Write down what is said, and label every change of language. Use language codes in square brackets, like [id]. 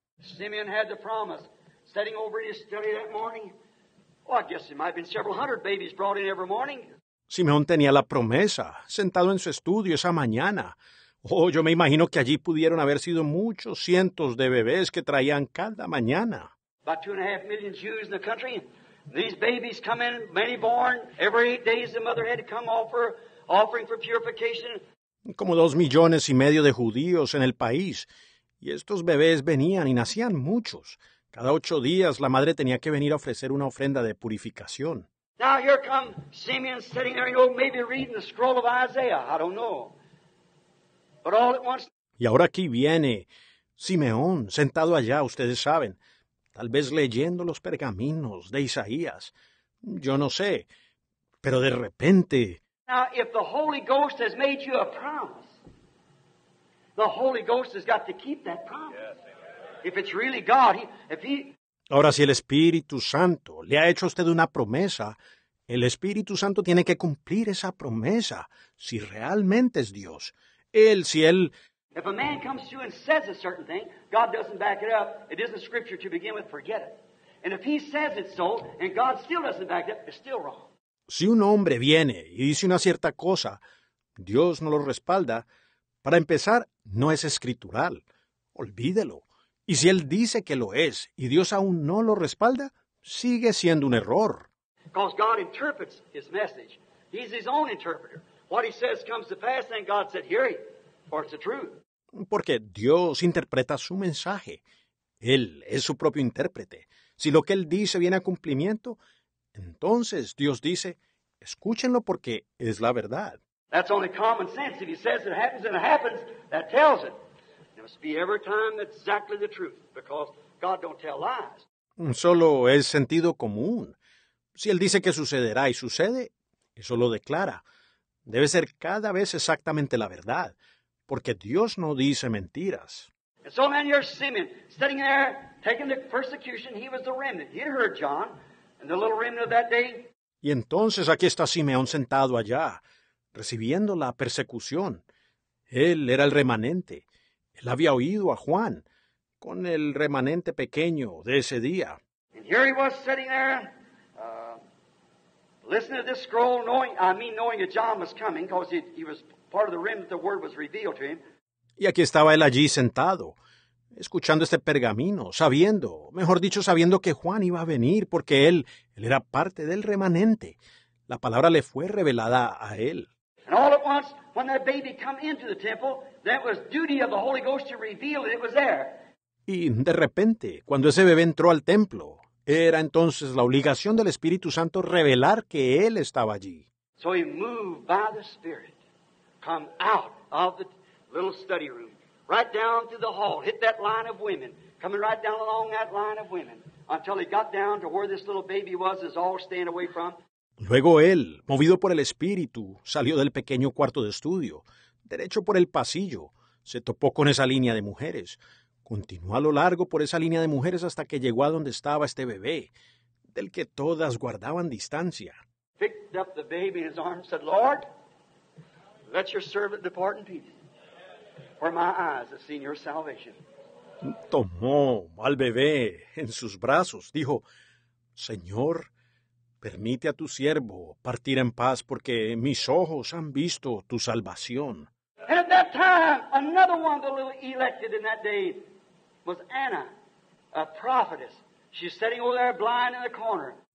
[en] Simeon had the promise, sitting over in his study that morning. Oh, I guess it might have been several hundred babies brought in every morning. [es] Simeón tenía la promesa, sentado en su estudio esa mañana. Oh, yo me imagino que allí pudieron haber sido muchos cientos de bebés que traían cada mañana. [en] About 2.5 million Jews in the country. These babies come in, many born. Every 8 days the mother had to come offer offering for purification. [es] Como 2.5 millones de judíos en el país. Y estos bebés venían y nacían muchos. Cada 8 días la madre tenía que venir a ofrecer una ofrenda de purificación. [en] Now here come Simeon sitting there, you know, maybe reading the scroll of Isaiah, I don't know. But all at once. [es] Y ahora aquí viene Simeón, sentado allá, ustedes saben, tal vez leyendo los pergaminos de Isaías. Yo no sé, pero de repente. [en] Now if the Holy Ghost has made you a promise, the Holy Ghost has got to keep that promise. If it's really God, if he... [es] Ahora, si el Espíritu Santo le ha hecho a usted una promesa, el Espíritu Santo tiene que cumplir esa promesa, si realmente es Dios. Él, si él... [en] If a man comes to you and says a certain thing, God doesn't back it up, it isn't scripture to begin with, forget it. And if he says it so, and God still doesn't back it up, it's still wrong. [es] Si un hombre viene y dice una cierta cosa, Dios no lo respalda, para empezar, no es escritural. Olvídelo. Y si él dice que lo es y Dios aún no lo respalda, sigue siendo un error. [en] Because God interprets his message. He's his own interpreter. What he says comes to pass, then God said, hear it, for it's the truth. [es] Porque Dios interpreta su mensaje. Él es su propio intérprete. Si lo que él dice viene a cumplimiento, entonces Dios dice, escúchenlo porque es la verdad. [en] That's only common sense. If he says it happens and it happens, that tells it. Must be every time exactly the truth, because God don't tell lies. [es] Solo es sentido común. Si él dice que sucederá y sucede, eso lo declara. Debe ser cada vez exactamente la verdad, porque Dios no dice mentiras. [en] And so then here's Simeon, sitting there, taking the persecution. He was the remnant. He'd heard John, and the little remnant of that day. [es] Y entonces aquí está Simeón sentado allá, recibiendo la persecución. Él era el remanente. Él había oído a Juan con el remanente pequeño de ese día. [en] And here he was sitting there, listening to this scroll, knowing that John was coming, because he was part of the remnant, the word was revealed to him. [es] Y aquí estaba él allí sentado, escuchando este pergamino, sabiendo, mejor dicho, sabiendo que Juan iba a venir, porque él era parte del remanente. La palabra le fue revelada a él. [en] And all at once, when that baby come into the temple, that was duty of the Holy Ghost to reveal it. It was there. [es] Y de repente, cuando ese bebé entró al templo, era entonces la obligación del Espíritu Santo revelar que él estaba allí. [en] So he moved by the Spirit, come out of the little study room, right down to the hall, hit that line of women, coming right down along that line of women, until he got down to where this little baby was, is all staying away from. [es] Luego él, movido por el Espíritu, salió del pequeño cuarto de estudio, derecho por el pasillo, se topó con esa línea de mujeres, continuó a lo largo por esa línea de mujeres hasta que llegó a donde estaba este bebé, del que todas guardaban distancia. [en] Picked up the baby in his arms, said, Lord, let your servant depart in peace, for my eyes have seen your salvation. [es] Tomó al bebé en sus brazos, dijo, Señor, permite a tu siervo partir en paz porque mis ojos han visto tu salvación. [en] And at that time, another one of the little elected in that day was Anna, a prophetess. She's sitting over there blind in the corner.